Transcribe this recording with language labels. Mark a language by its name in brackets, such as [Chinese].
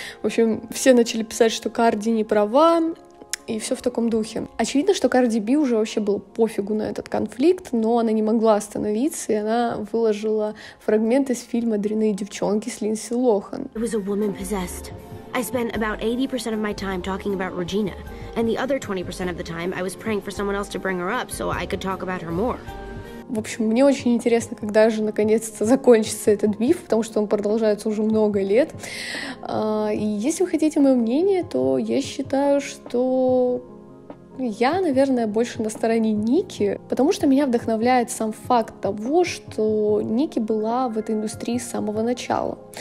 [Russian] В общем, все начали писать, что Карди не права, и все в таком духе. Очевидно, что Карди Би уже вообще было пофигу на этот конфликт, но она не могла остановиться, и она выложила фрагмент из фильма «Дрянные девчонки» с Линдси Лохан. [English] It was a woman possessed. I spent about 80% of my time talking about Regina. And the other 20% of the time I was praying for someone else to bring her up so I could talk about her more. [Russian] В общем, мне очень интересно, когда же наконец-то закончится этот биф, потому что он продолжается уже много лет. И если вы хотите мое мнение, то я считаю, что я, наверное, больше на стороне Ники, потому что меня вдохновляет сам факт того, что Ники была в этой индустрии с самого начала.